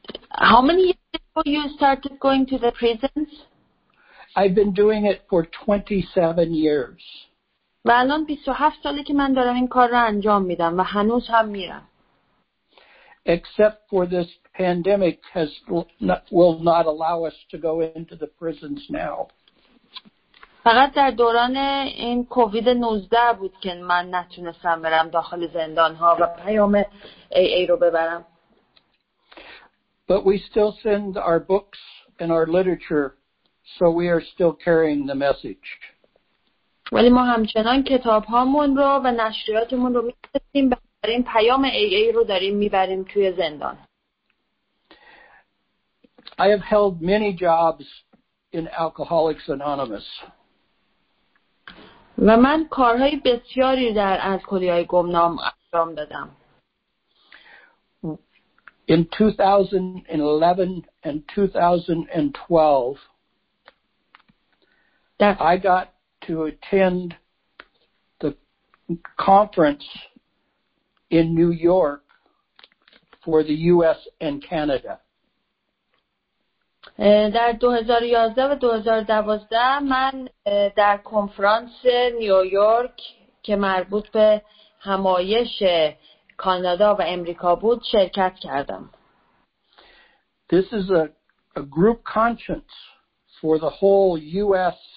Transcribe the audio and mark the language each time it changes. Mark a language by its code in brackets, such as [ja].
[en] How many years ago you started going to the prisons? I've been doing it for 27 years. [fa] و الان 27 سالی که من دارم این کار رو انجام میدم و هنوز هم میرم. [en] Except for this pandemic has will not allow us to go into the prisons now. [fa] فقط در دوران این کووید 19 بود که من نتونستم برم داخل زندان ها و پیام AA رو ببرم. [en] But we still send our books and our literature, so we are still carrying the message. [fa] ولی ما همچنان کتاب هامون رو و نشریاتمون رو می‌فرستیم و داریم پیام AA رو داریم می‌بریم توی زندان. [en] I have held many jobs in Alcoholics Anonymous. [fa] و من کارهای بسیاری در الکلی‌های گمنام انجام دادم. [en] In 2011 and 2012, I got to attend the conference in New York for the U.S. and Canada. [fa] در 2011 و 2012 من در کنفرانس نیویورک که مربوط به همایش کانادا و امریکا بود شرکت کردم. [en] This is a group conference for the whole U.S.